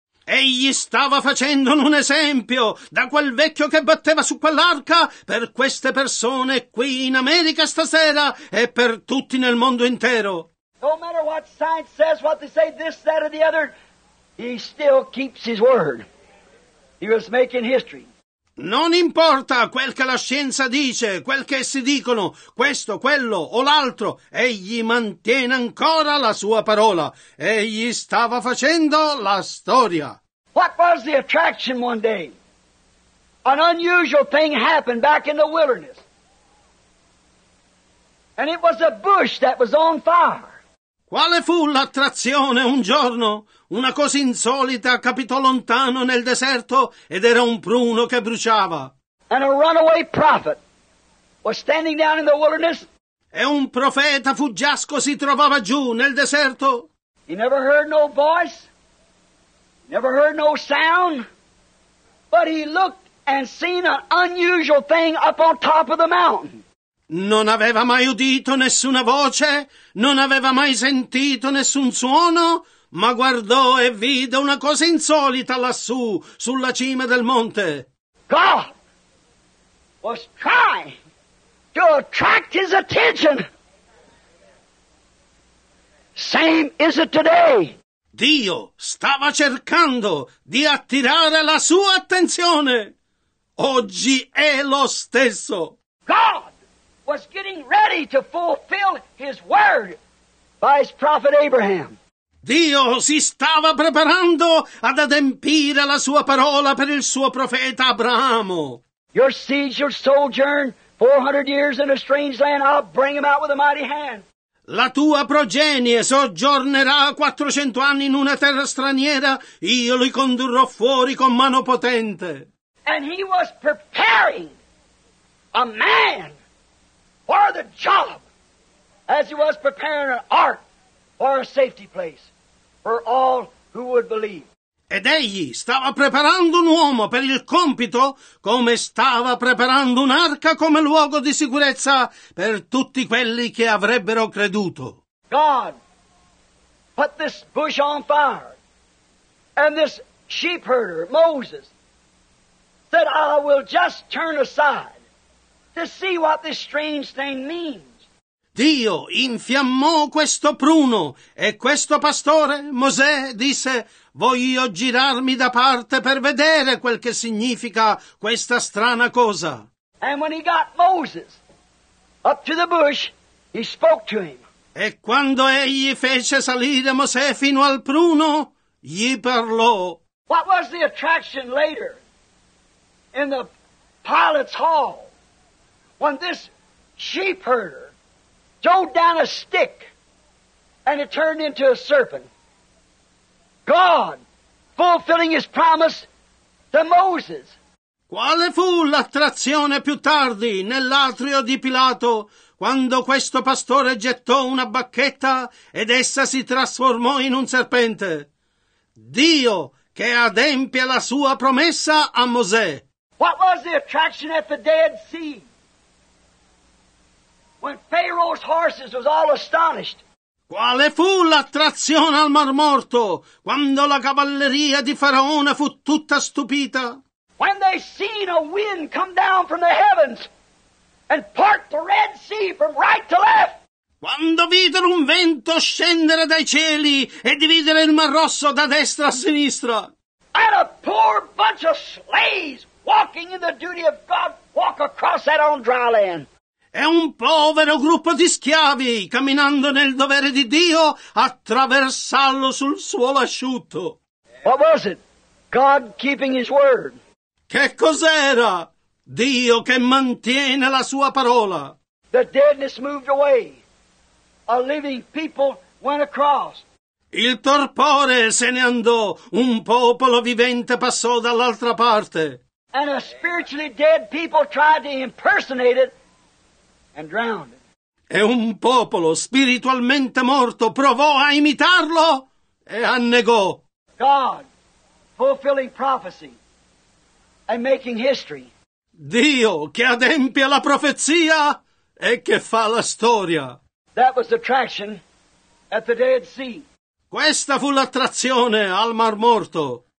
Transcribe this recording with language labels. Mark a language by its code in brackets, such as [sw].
[it] Egli stava facendo un esempio da quel vecchio che batteva su quell'arca per queste persone qui in America stasera e per tutti nel mondo intero. [en] No matter what science says, what they say, this, that, or the other, he still keeps his word. He was making history. [it] Non importa quel che la scienza dice, quel che essi dicono, questo, quello o l'altro, egli mantiene ancora la sua parola. Egli stava facendo la storia. [en] What was the attraction one day? An unusual thing happened back in the wilderness. And it was a bush that was on fire. [it] Quale fu l'attrazione un giorno? Una cosa insolita capitò lontano nel deserto ed era un pruno che bruciava. [en] And a runaway prophet was standing down in the wilderness. [it] E un profeta fuggiasco si trovava giù nel deserto. [en] He never heard no voice, never heard no sound, but he looked and seen an unusual thing up on top of the mountain. [it] Non aveva mai udito nessuna voce, non aveva mai sentito nessun suono, ma guardò e vide una cosa insolita lassù, sulla cima del monte. [en] God was trying to attract his attention. Same is it today. [it] Dio stava cercando di attirare la sua attenzione. Oggi è lo stesso. [en] God was getting ready to fulfill his word by his prophet Abraham. [it] Dio si stava preparando ad adempire la sua parola per il suo profeta Abramo. [en] Your seeds shall sojourn 400 years in a strange land. I'll bring them out with a mighty hand. [it] La tua progenie soggiornerà 400 anni in una terra straniera, io li condurrò fuori con mano potente. [en] And he was preparing a man for the job, as he was preparing an ark for a safety place for all who would believe. [it] Ed egli stava preparando un uomo per il compito, come stava preparando un'arca come luogo di sicurezza per tutti quelli che avrebbero creduto. [en] God put this bush on fire, and this sheep herder, Moses, said, I will just turn aside to see what this strange thing means. [it] Dio infiammò questo pruno e questo pastore, Mosè, disse, voglio girarmi da parte per vedere quel che significa questa strana cosa. [en] And when he got Moses up to the bush, he spoke to him. [it] E quando egli fece salire Mosè fino al pruno, gli parlò. [en] What was the attraction later in the pilot's hall when this sheep herder throwed down a stick and it turned into a serpent? God fulfilling his promise to Moses. [it] Quale fu l'attrazione più tardi nell'atrio di Pilato quando questo pastore gettò una bacchetta ed essa si trasformò in un serpente? Dio che adempie la sua promessa a Mosè. [en] What was the attraction at the Dead Sea? When Pharaoh's horses was all astonished. [it] Quale fu l'attrazione al Mar Morto quando la cavalleria di Faraone fu tutta stupita? [en] When they seen a wind come down from the heavens and part the Red Sea from right to left. [it] Quando videro un vento scendere dai cieli e dividere il Mar Rosso da destra a sinistra. [en] And a poor bunch of slaves walking in the duty of God walk across that on dry land. [it] È un povero gruppo di schiavi camminando nel dovere di Dio attraversarlo sul suolo asciutto. [en] What was it? God keeping his word. [it] Che cos'era? Dio che mantiene la sua parola. [en] The deadness moved away. A living people went across. [it] Il torpore se ne andò. Un popolo vivente passò dall'altra parte. [en] And a spiritually dead people tried to impersonate it. And drowned. [it] E un popolo spiritualmente morto provò a imitarlo e annegò. [en] God fulfilling prophecy and making history. [it] Dio che adempie la profezia e che fa la storia. [en] That was attraction at the Dead Sea. [it] Questa fu l'attrazione al Mar Morto.